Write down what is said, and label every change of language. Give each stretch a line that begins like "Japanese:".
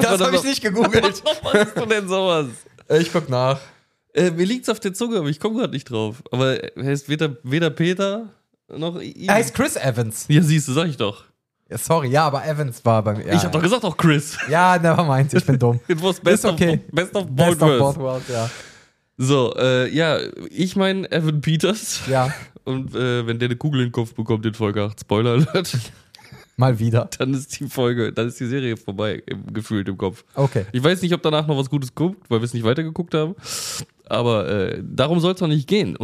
German: Das habe ich nicht gegoogelt. Was machst du denn sowas? Ich guck nach. Mir liegt's auf der Zunge, aber ich komme gerade nicht drauf. Aber er heißt weder Peter noch ihn. Er heißt Chris Evans. Ja, siehst du, sag ich doch. Ja, sorry, ja, aber Evans war bei mir. Ich hab doch gesagt, auch Chris. Ja, nevermind, ich bin dumm.
English: It was best of both worlds,
German: ja. So, ja, ich mein Evan Peters. Ja. Und wenn der eine Kugel in den Kopf bekommt in Folge 8,
English: Spoiler Alert.
German: Mal wieder. Dann ist die Serie vorbei, gefühlt im Kopf. Okay. Ich weiß nicht, ob danach noch was Gutes kommt, weil wir es nicht weitergeguckt haben. Aber darum soll es doch nicht gehen.